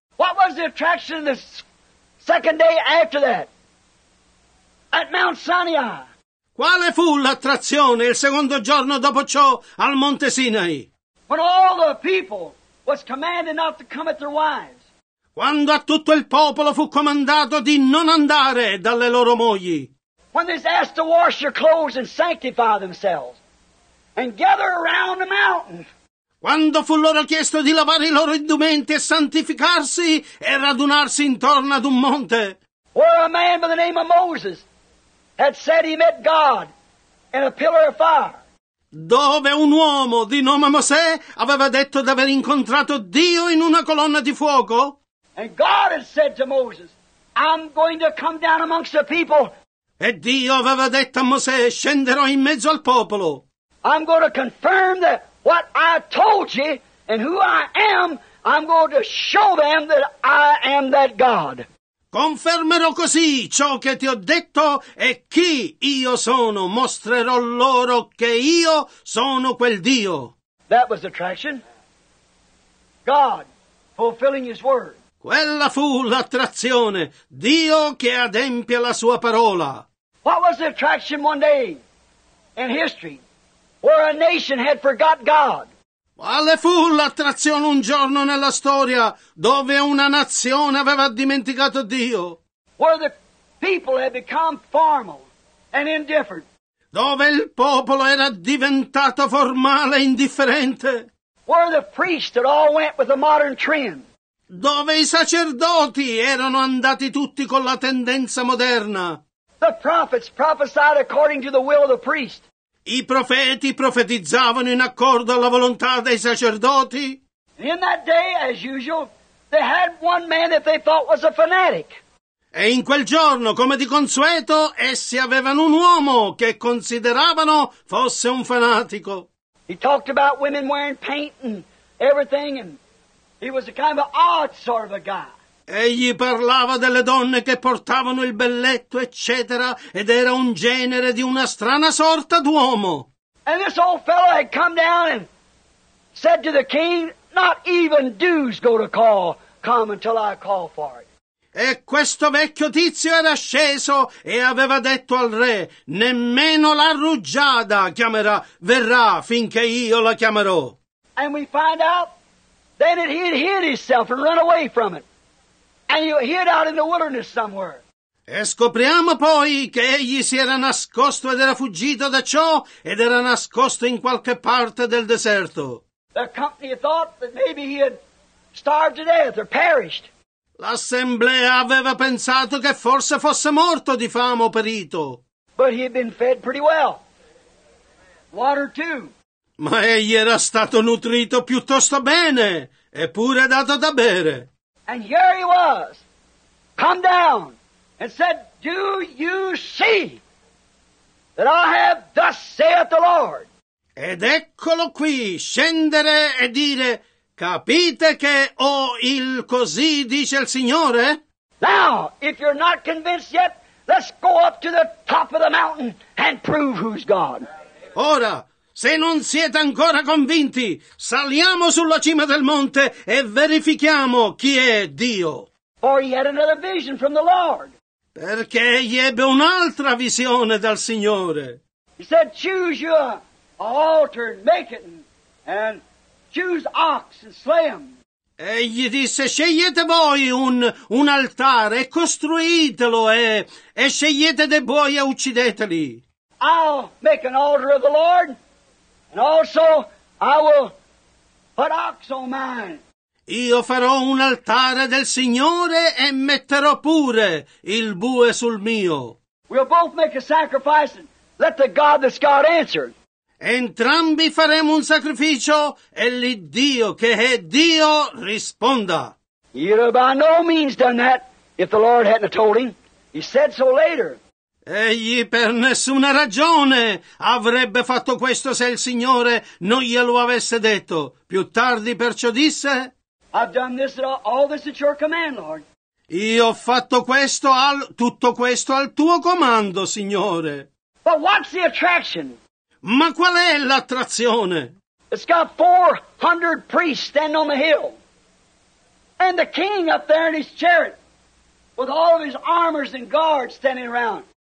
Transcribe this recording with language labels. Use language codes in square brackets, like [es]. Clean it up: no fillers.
[en] What was the attraction the second day after that? At Mount Sinai. [it] Quale fu l'attrazione il secondo giorno dopo ciò al Monte Sinai? [en] When all the people was commanded not to come at their wives. [it] Quando a tutto il popolo fu comandato di non andare dalle loro mogli. [en] When they asked to wash their clothes and sanctify themselves and gather around the mountain. [it] Quando fu loro chiesto di lavare i loro indumenti e santificarsi e radunarsi intorno ad un monte. [en] Where a man by the name of Moses had said he met God in a pillar of fire. [it] Dove un uomo di nome Mosè aveva detto d'aver incontrato Dio in una colonna di fuoco. [en] And God had said to Moses, I'm going to come down amongst the people. [it] E Dio aveva detto a Mosè, scenderò in mezzo al popolo. [en] I'm going to confirm that what I told you and who I am, I'm going to show them that I am that God. [it] Confermerò così ciò che ti ho detto e chi io sono. Mostrerò loro che io sono quel Dio. [en] That was attraction. God fulfilling his word. [it] Quella fu l'attrazione. Dio che adempie la sua parola. [en] What was the attraction one day in history where a nation had forgot God? [it] Quale fu l'attrazione un giorno nella storia dove una nazione aveva dimenticato Dio? [en] Where the people had become formal and indifferent. [it] Dove il popolo era diventato formale e indifferente. [en] Where the priests had all went with the modern trend. [it] Dove i sacerdoti erano andati tutti con la tendenza moderna. [en] The prophets prophesied according to the will of the priest. [it] I profeti profetizzavano in accordo alla volontà dei sacerdoti. [en] In that day, as usual, they had one man that they thought was a fanatic. [it] E in quel giorno, come di consueto, essi avevano un uomo che consideravano fosse un fanatico. [en] He talked about women wearing paint and everything, and he was a kind of an odd sort of a guy. [it] Egli parlava delle donne che portavano il belletto, eccetera, ed era un genere di una strana sorta d'uomo. [en] And this old fellow had come down and said to the king, not even dues go to call, come until I call for it. [it] E questo vecchio tizio era sceso e aveva detto al re, nemmeno la rugiada chiamerà, verrà finché io la chiamerò. [en] And we find out then that he had hid himself and run away from it. And he hid out in the wilderness somewhere. [it] E scopriamo poi che egli si era nascosto ed era fuggito da ciò ed era nascosto in qualche parte del deserto. [en] The company thought that maybe he had starved to death or perished. [it] L'assemblea aveva pensato che forse fosse morto di fame o perito. [en] But he had been fed pretty well. Water too. [it] Ma egli era stato nutrito piuttosto bene, eppure dato da bere. [en] And here he was, come down, and said, do you see that I have thus saith the Lord? [it] Ed eccolo qui, scendere e dire, capite che ho il così dice il Signore? [en] Now, if you're not convinced yet, let's go up to the top of the mountain and prove who's God. [it] Ora, se non siete ancora convinti, saliamo sulla cima del monte e verifichiamo chi è Dio. [en] For he had another vision from the Lord. [it] Perché egli ebbe un'altra visione dal Signore. [en] He said, choose you an altar and make it, and choose ox and slay him. [it] Egli disse, scegliete voi un altare, costruitelo e scegliete dei buoi e uccideteli. [en] I'll make an altar of the Lord. And also, I will put ox on mine. [it] Io farò un altare del Signore e metterò pure il bue sul mio. [en] We'll both make a sacrifice and let the God that's God answer. [it] Entrambi faremo un sacrificio e l'Iddio che è Dio risponda. [en] He'd have by no means done that if the Lord hadn't told him. He said so later. [it] Egli per nessuna ragione avrebbe fatto questo se il Signore non glielo avesse detto. Più tardi perciò disse, [en] I've done this at all this at your command, Lord. [it] Io ho fatto questo tutto questo al tuo comando, Signore. [en] But what's the attraction? [it] Ma qual è l'attrazione? [en] It's got 400 priests standing on the hill. And the king up there in his chariot with all of his armors and guards standing around.